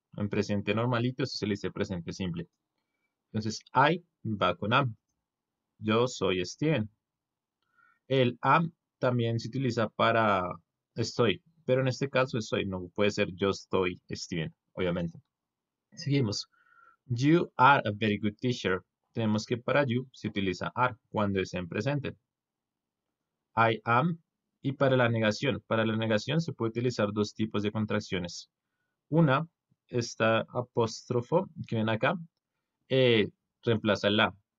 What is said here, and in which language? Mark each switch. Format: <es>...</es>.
<es>En presente normalito se le dice presente simple. Entonces, I va con am. Yo soy Steven. El am también se utiliza para estoy, pero en este caso es soy, no puede ser yo estoy Steven, obviamente. Seguimos.</es> <en>You are a very good teacher.</en> <es>Tenemos que para you se utiliza are cuando es en presente. I am y para la negación se puede utilizar dos tipos de contracciones. Una, esta apóstrofo que ven acá, reemplaza el la.</es>